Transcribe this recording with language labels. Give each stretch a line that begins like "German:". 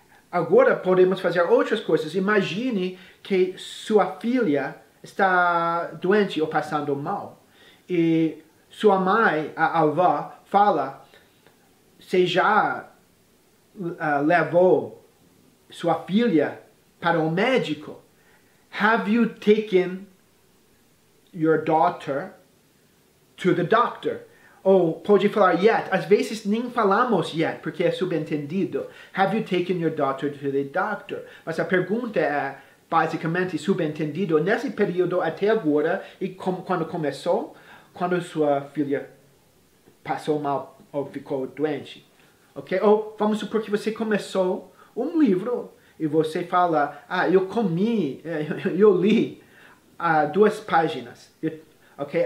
Portuguese: Agora podemos fazer outras coisas. Imagine que sua filha está doente ou passando mal. E sua mãe, a avó, fala, você já levou sua filha para o médico?
English: Have you taken your daughter to the doctor?
Portuguese: Ou pode falar yet. Às vezes nem falamos yet, porque é subentendido.
English: Have you taken your daughter to the doctor?
Portuguese: Mas a pergunta é basicamente subentendido nesse período até agora e quando começou, quando sua filha passou mal ou ficou doente. Ok? Ou vamos supor que você começou um livro e você fala, ah, eu comi, eu li duas páginas. Ok?